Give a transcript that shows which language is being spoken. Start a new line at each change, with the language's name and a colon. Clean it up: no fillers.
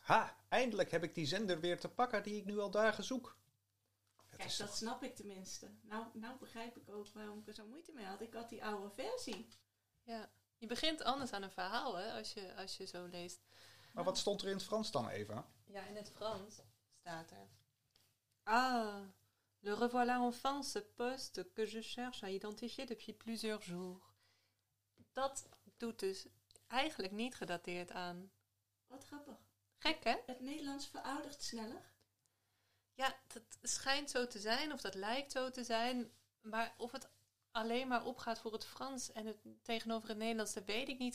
Dutch: Ha, eindelijk heb ik die zender weer te pakken die ik nu al dagen zoek. Kijk, dat snap ik tenminste. Nou begrijp ik ook waarom ik er zo moeite mee had. Ik had die oude versie. Ja, je begint anders aan een verhaal, hè, als je zo leest. Maar wat stond er in het Frans dan, Eva? Ja, in het Frans staat er...
French: Ah, le revoilà enfin ce poste que je cherche à identifier depuis plusieurs jours.
Dutch: Dat doet dus eigenlijk niet gedateerd aan... Wat grappig. Gek, hè? Het Nederlands veroudert sneller. Ja, dat schijnt zo te zijn, of dat lijkt zo te zijn, maar of het... alleen maar opgaat voor het Frans en het tegenover het Nederlands, dat weet ik niet.